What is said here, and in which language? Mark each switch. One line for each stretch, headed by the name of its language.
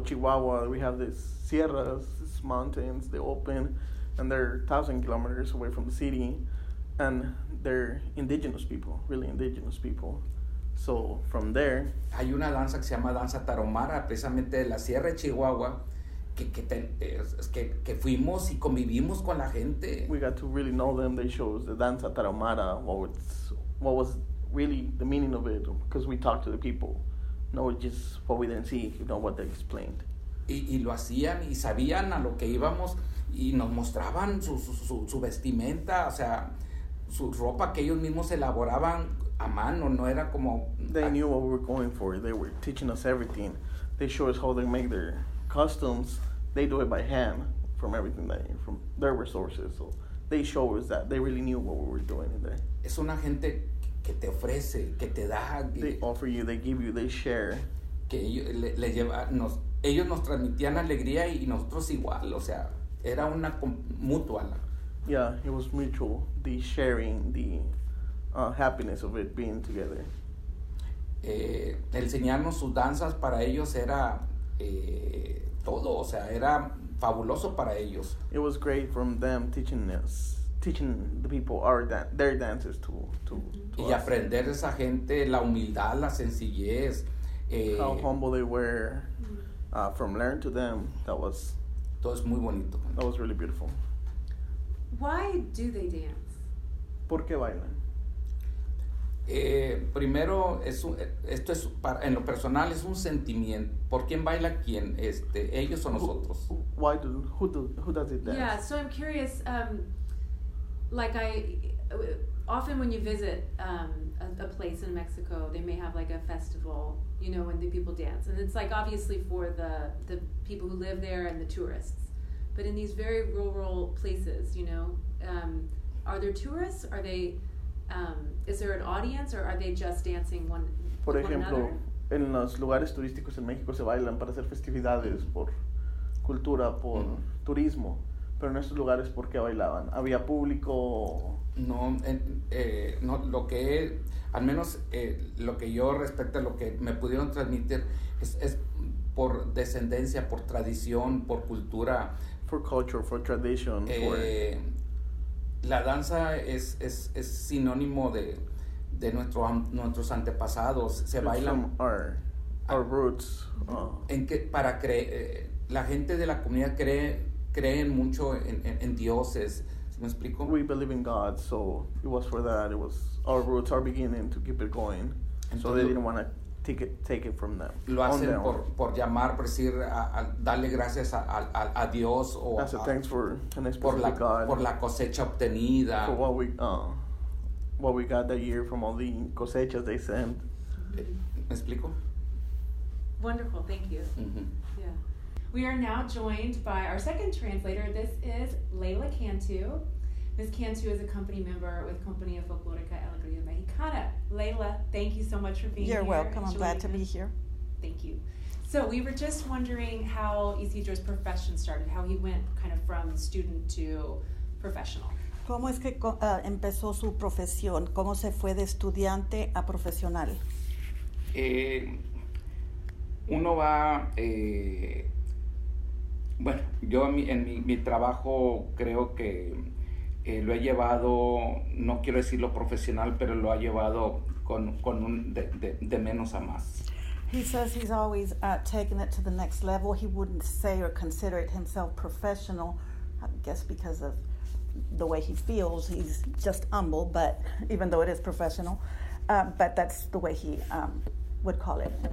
English: Chihuahua, we have these sierras, these mountains, they open, and they're 1,000 kilometers away from the city, and they're indigenous people, really indigenous people. So from there,
Spanish: hay una danza que se llama danza tarahumara, precisamente de la sierra de Chihuahua, que fuimos y convivimos con la gente.
English: We got to really know them. They show us the danza tarahumara, what was really the meaning of it, because we talked to the people, not just what we didn't see, you know, what they explained.
Spanish: Y lo hacían y sabían a lo que íbamos y nos mostraban su vestimenta, o sea, su ropa que ellos mismos elaboraban a mano, no era como.
English: They knew what we were going for. They were teaching us everything. They showed us how they make their costumes. They do it by hand from everything that from their resources. So they show us that they really knew what we were doing in there.
Spanish: Es una gente que te ofrece, que te da.
English: They offer you, they give you, they share.
Spanish: Que ellos le lleva, nos, ellos nos transmitían alegría y nosotros igual, o sea, era una mutua.
English: Yeah, it was mutual, the sharing, the happiness of it being together.
Spanish: Enseñarnos sus danzas para ellos era todo, o sea, era fabuloso para ellos.
English: It was great from them teaching us. Teaching the people their dances to
Spanish: y aprender esa gente la humildad, la sencillez,
English: how humble they were, from learning to them, that was
Spanish: todo es muy bonito.
English: That was really beautiful. Why do they dance?
Spanish: ¿Por qué bailan? Primero esto es para, en lo personal es un sentimiento. ¿Por quién baila quién? Ellos o nosotros.
English: Who does it dance? Yeah, so I'm curious. Like often when you visit a place in Mexico, they may have like a festival, you know, when the people dance. And it's like obviously for the people who live there and the tourists. But in these very rural places, you know, are there tourists? Are they, is there an audience or are they just dancing one another?
Spanish: Por ejemplo, en los lugares turísticos en México se bailan para hacer festividades, por cultura, por turismo. pero en esos lugares, ¿por qué bailaban? ¿Había público? No, no, lo que al menos lo que yo respecto a lo que me pudieron transmitir es por descendencia, por tradición, por cultura.
English: For culture, for tradition.
Spanish: La danza es sinónimo de nuestros antepasados. Se baila.
English: Our roots. Oh.
Spanish: En que para la gente de la comunidad creen mucho en dioses. ¿Sí me explico?
English: We believe in God, so it was for that. It was our roots, our beginning to keep it going.
Spanish: Entonces,
English: so they didn't want to take it from them.
Spanish: Lo hacen por llamar, por decir, darle gracias a Dios o
English: as a thanks for an
Spanish: por la God, por la cosecha obtenida.
English: For what we got that year from all the cosechas they sent.
Spanish: ¿Me explico?
English: Wonderful, thank you. Mm-hmm. Yeah, we are now joined by our second translator. This is Leila Cantu. Ms. Cantu is a company member with Compañía Folclórica Alegría Mexicana. Leila, thank you so much for being You're here. You're welcome. I'm glad to be here. Thank you. So we were just wondering how Isidro's profession started, how he went kind of from student to professional.
Spanish: ¿Cómo es que empezó su profesión? ¿Cómo se fue de estudiante a profesional? Uno va, yo en mi trabajo creo que lo he llevado, no quiero decirlo profesional, pero lo ha llevado con un de menos a más.
English: He says he's always taken it to the next level. He wouldn't say or consider it himself professional, I guess because of the way he feels. He's just humble, but even though it is professional, but that's the way he would call it.